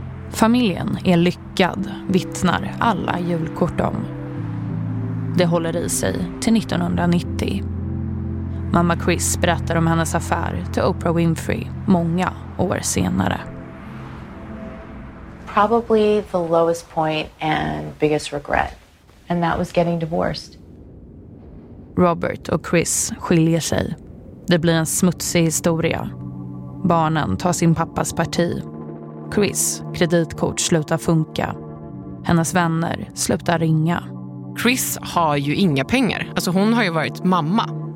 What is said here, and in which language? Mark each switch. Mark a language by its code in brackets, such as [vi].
[sv] Familjen är lyckad, vittnar alla julkort om. Det håller i sig till 1990. Mamma Chris berättar om hennes affär till Oprah Winfrey många år senare. [en] Probably the lowest point and biggest regret, and that was getting divorced. [sv] Robert och Chris skiljer sig. Det blir en smutsig historia. Barnen tar sin pappas parti. Chris kreditkort slutar funka. Hennes vänner slutar ringa. Chris har ju inga pengar. Alltså hon har ju varit mamma.